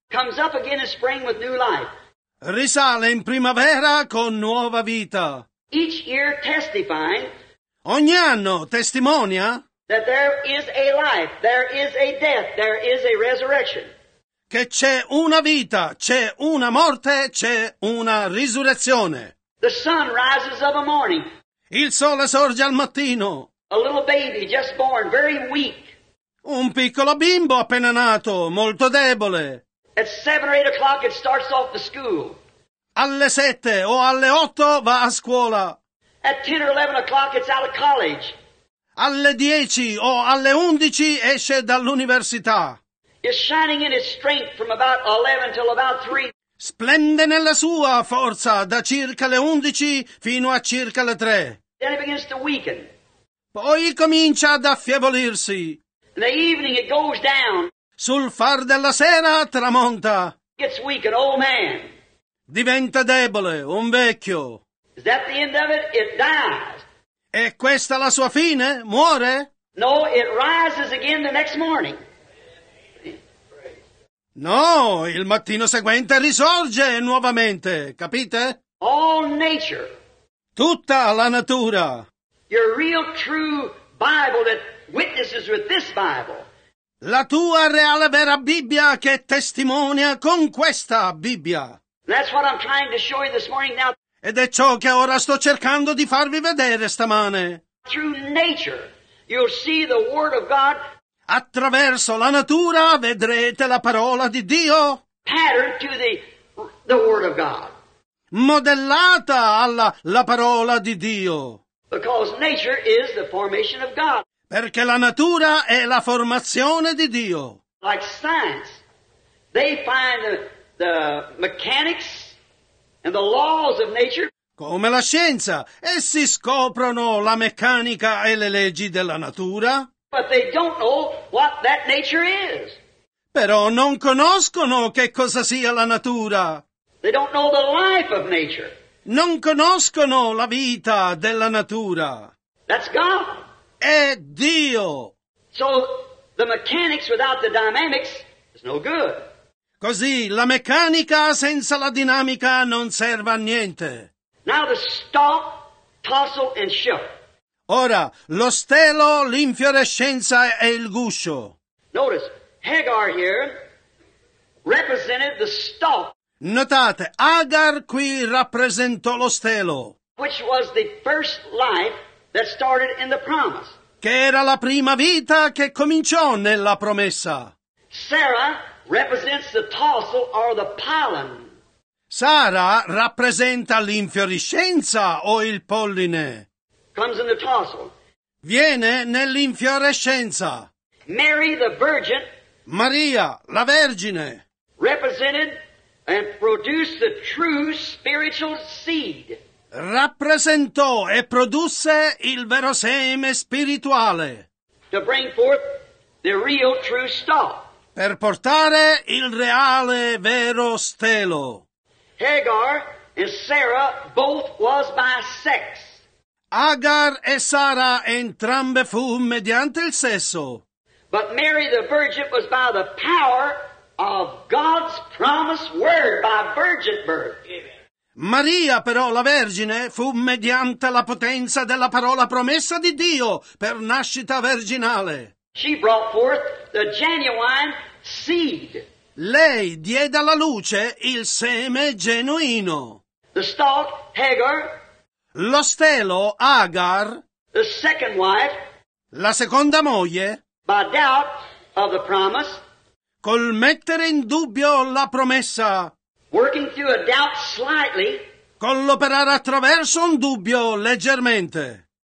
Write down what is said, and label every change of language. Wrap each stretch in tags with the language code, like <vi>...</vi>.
<en>Comes up again in spring with new life.</en> <it>Risale in primavera con nuova vita.</it> <en>Each year testifying.</en> <it>Ogni anno testimonia.</it> <en>That there is a life, there is a death, there is a resurrection.</en> <it>Che c'è una vita, c'è una morte, c'è una risurrezione.</it> <en>The sun rises of a morning.</en> <it>Il sole sorge al mattino.</it> <en>A little baby just born, very weak.</en> <it>Un piccolo bimbo appena nato, molto debole.</it> <en>At 7 or 8 o'clock it starts off to school.</en> <it>Alle 7 o alle 8 va a scuola.</it> <en>At 10 or 11 o'clock it's out of college.</en> <it>Alle 10 o alle 11 esce dall'università.</it> <en>Is shining in its strength from about 11 till about 3.</en> <it>Splende nella sua forza da circa le 11 fino a circa le 3.</it> <en>Then it begins to weaken.</en> <it>Poi comincia ad affievolirsi.</it> <en>In the evening it goes down.</en> <it>Sul far della sera tramonta.</it> <en>Gets weak, an old man.</en> <it>Diventa debole, un vecchio.</it> <en>Is that the end of it? It dies.</en> <it>È questa la sua fine? Muore?</it> <en>No, it rises again the next morning.</en> <it>No, il mattino seguente risorge nuovamente, capite?</it> <en>All nature.</en> <it>Tutta la natura.</it> <en>Your real true Bible that witnesses with this Bible.</en> <it>La tua reale vera Bibbia che testimonia con questa Bibbia.</it> <en>That's what I'm trying to show you this morning now.</en> <it>Ed è ciò che ora sto cercando di farvi vedere stamane.</it> <en>Through nature you'll see the word of God.</en> <it>Attraverso la natura vedrete la parola di Dio.</it> <en>Pattern to the word of God.</en> <it>Modellata alla la parola di Dio.</it> <en>Because nature is the formation of God.</en> <it>Perché la natura è la formazione di Dio.</it> <en>Like science, they find the mechanics and the laws of nature.</en> <it>Come la scienza, essi scoprono la meccanica e le leggi della natura.</it> <en>But they don't know what that nature is.</en> <it>Però non conoscono che cosa sia la natura.</it> <en>They don't know the life of nature.</en> <it>Non conoscono la vita della natura.</it> <en>That's God.</en> <it>È Dio.</it> <en>So the mechanics without the dynamics is no good.</en> <it>Così la meccanica senza la dinamica non serve a niente.</it> <en>Now the stalk, tassel and shoot.</en> <it>Ora, lo stelo, l'infiorescenza e il guscio.</it> <en>Notice, Hagar here represented the stalk.</en> <it>Notate, Hagar qui rappresentò lo stelo.</it> <en>Which was the first life that started in the promise.</en> <it>Che era la prima vita che cominciò nella promessa.</it> <en>Sarah represents the tassel or the pollen.</en> <it>Sara rappresenta l'infiorescenza o il polline.</it> <en>Comes in the tassel.</en> <it>Viene nell'infiorescenza.</it> <en>Mary the virgin.</en> <it>Maria la vergine.</it> <en>Represented and produced the true spiritual seed.</en> <it>Rappresentò e produsse il vero seme spirituale.</it> <en>To bring forth the real true stalk.</en> <it>Per portare il reale vero stelo.</it> <en>Hagar and Sarah both was by sex.</en> <it>Hagar e Sara entrambe fu mediante il sesso.</it> <en>But Mary the virgin was by the power of God's promised word, by virgin birth. Amen.</en> <it>Maria, però, la Vergine, fu mediante la potenza della parola promessa di Dio per nascita virginale.</it> <en>She brought forth the genuine seed.</en> <it>Lei diede alla luce il seme genuino.</it> <en>The stalk, Hagar.</en> <it>Lo stelo, Agar.</it> <en>The second wife.</en> <it>La seconda moglie.</it> <en>By doubt of the promise.</en> <it>Col mettere in dubbio la promessa.</it> <en>Working through a doubt slightly.</en> <it>Con l'operare attraverso un dubbio leggermente.</it>